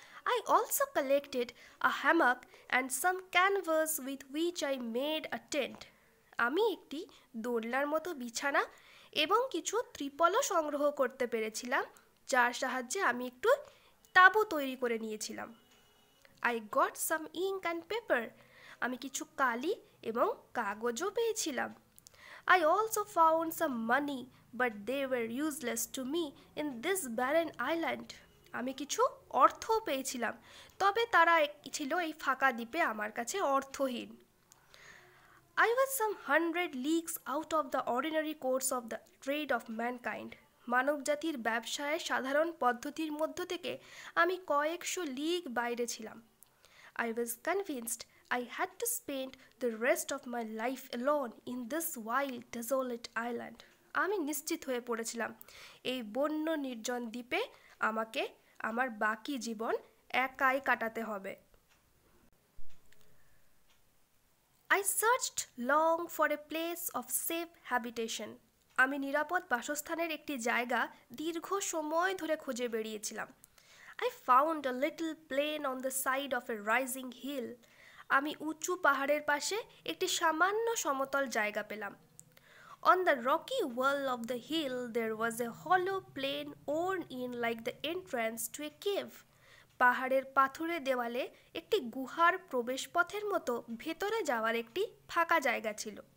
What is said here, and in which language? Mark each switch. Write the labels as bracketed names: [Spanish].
[English] I also collected a hammock and some canvas with which I made a tent, [Bangla] আমি একটি দোলনার মতো বিছানা এবং কিছু ত্রিপলও সংগ্রহ করতে পেরেছিলাম যার সাহায্যে আমি একটু তাঁবু তৈরি করে নিয়েছিলাম। [English] I got some ink and paper, [Bangla] আমি কিছু কালি এবং কাগজও পেয়েছিলাম। [English] I also found some money, but they were useless to me in this barren island. [Bangla] আমি কিছু অর্থ পেয়েছিলাম, তবে তারা ছিল এই ফাঁকা দ্বীপে আমার কাছে অর্থহীন। [English] I was some 100 leagues out of the ordinary course of the trade of mankind. [Bangla] মানবজাতির ব্যবসায় সাধারণ পদ্ধতির মধ্য থেকে আমি কয়েকশো লিগ বাইরে ছিলাম। [English] I was convinced I had to spend the rest of my life alone in this wild, desolate island. [Bangla] আমি নিশ্চিত হয়ে পড়েছিলাম এই বন্য নির্জন দ্বীপে আমাকে আমার বাকি জীবন একাই কাটাতে হবে। [English] I searched long for a place of safe habitation. [Bangla] আমি নিরাপদ বাসস্থানের একটি জায়গা দীর্ঘ সময় ধরে খুঁজে বেড়িয়েছিলাম। [English] I found a little plain on the side of a rising hill. [Bangla] আমি উঁচু পাহাড়ের পাশে একটি সামান্য সমতল জায়গা পেলাম। [English] on the rocky wall of the hill there was a hollow plain worn in like the entrance to a cave, [Bangla] পাহাড়ের পাথুরে দেওয়ালে একটি গুহার প্রবেশপথের মতো ভেতরে যাওয়ার একটি ফাঁকা জায়গা ছিল।